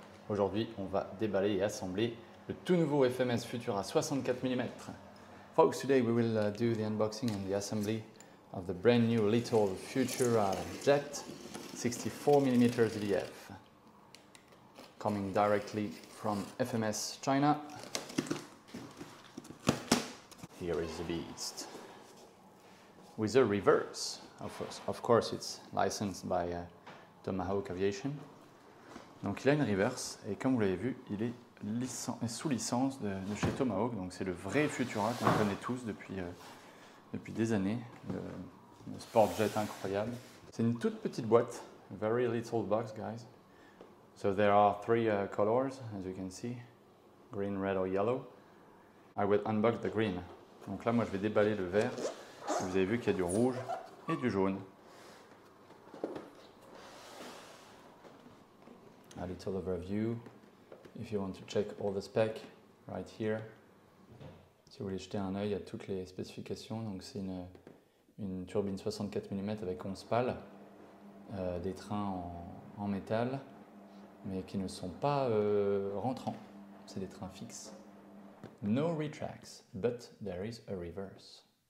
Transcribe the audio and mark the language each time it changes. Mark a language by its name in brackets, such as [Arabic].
[French] Aujourd'hui, on va déballer et assembler le tout nouveau FMS Futura 64mm. [English] Folks, today we will do the unboxing and the assembly of the brand new little Futura Jet 64mm EDF. Coming directly from FMS China. Here is the beast. With a reverse. Of course, it's licensed by Tomahawk Aviation. [French] Donc il a une reverse et comme vous l'avez vu, il est sous licence de chez Tomahawk. Donc c'est le vrai Futura qu'on connaît tous depuis des années. Le sport jet incroyable. C'est une toute petite boîte. [English] Very little box, guys. So there are three colors, as you can see. Green, red or yellow. I will unbox the green. [French] Donc là, moi, je vais déballer le vert. Vous avez vu qu'il y a du rouge et du jaune. [English] A little overview. If you want to check all the specs, right here. [French] Si vous voulez jeter un œil à toutes les spécifications, donc c'est une turbine 64mm avec 11 pales, des trains en métal, mais qui ne sont pas rentrants. C'est des trains fixes. [English] No retracts, but there is a reverse.